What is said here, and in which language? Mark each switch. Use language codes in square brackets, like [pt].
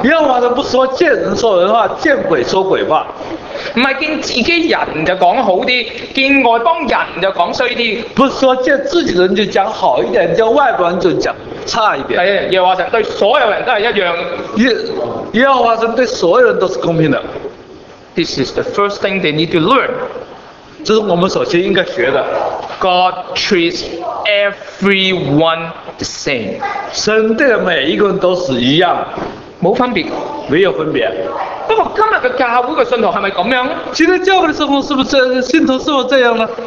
[zh] 耶和华神不说见人说人话，见鬼说鬼话。不是见自己人就讲好一点，见外邦人就讲衰一点。不是说见自己人就讲好一点，见外邦人就讲差一点。耶和华神对所有人都是一样。耶和华神对所有人都是公平的。 [en] This is the first thing they need to learn. [zh] 这是我们首先应该学的。 [en] God treats everyone the same. [zh] 神对的每一个人都是一样，没分别，没有分别。不过今天的教会的信徒是不是这样？今天教会的信徒是不是信徒是否这样呢？